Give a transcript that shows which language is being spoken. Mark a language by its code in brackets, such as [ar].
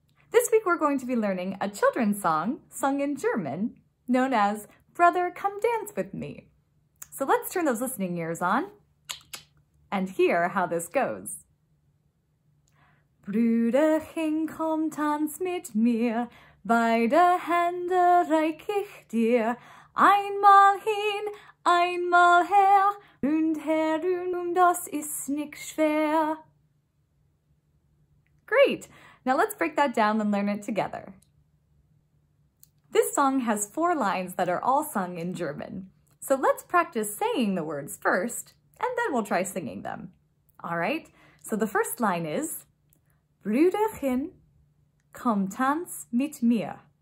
[en] This week we're going to be learning a children's song sung in German known as Brother, Come Dance With Me. So let's turn those listening ears on and hear how this goes. [de] Brüderchen, komm tanz mit mir, beide Hände reich ich dir, einmal hin, einmal her, und herum, das ist nicht schwer. [en] Great! Now let's break that down and learn it together. This song has four lines that are all sung in German. So let's practice saying the words first, and then we'll try singing them. All right, so the first line is, [de] Brüderchen, komm tanz mit mir.